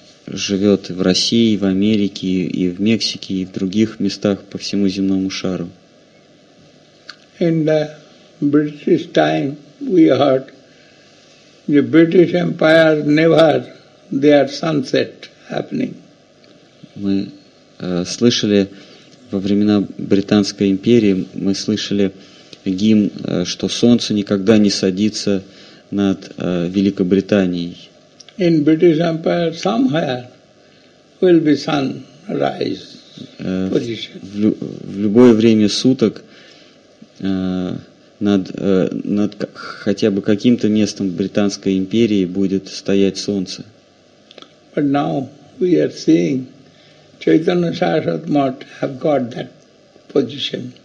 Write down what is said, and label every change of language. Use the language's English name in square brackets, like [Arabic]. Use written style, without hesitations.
[Russian] живет в России, в Америке, и в Мексике, и в других местах по всему земному шару. [English] In the British time, we heard the British Empire never their sunset happening. [Russian] Мы слышали во времена Британской империи, мы слышали гимн, что солнце никогда не садится над Великобританией. [English] In British Empire, somewhere will be sunrise position. [Russian] В любое время суток над хотя бы каким-то местом Британской империи будет стоять солнце. [English] But now we are seeing Chaitanya Sarasvati have got that position.